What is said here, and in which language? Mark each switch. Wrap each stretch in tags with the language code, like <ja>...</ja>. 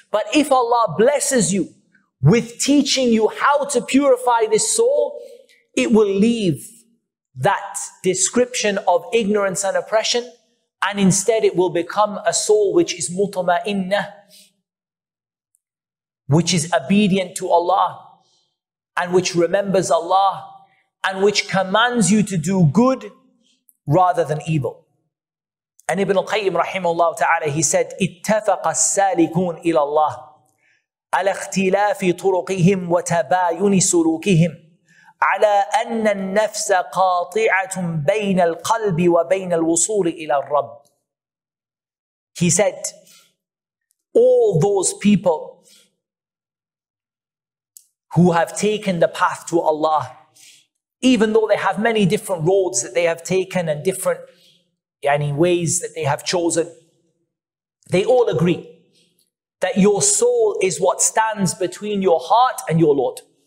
<en>But if Allah blesses you with teaching you how to purify this soul, it will leave that description of ignorance and oppression, and instead it will become a soul which is mutma'inna, which is obedient to Allah, and which remembers Allah, and which commands you to do good rather than evil. And Ibn al-Qayyim rahimahullah ta'ala, he said,</en> <ar>اتَّفَقَ السَّالِكُونَ إِلَى اللَّهِ عَلَى اخْتِلَافِ طُرُقِهِمْ وَتَبَايُنِ سُلُوكِهِمْ على أن النفس قاطعة بين القلب وبين الوصول إلى الرب.</ar> <en>He said, all those people who have taken the path to Allah, even though they have many different roads that they have taken and different ways that they have chosen, they all agree that your soul is what stands between your heart and your Lord.</en>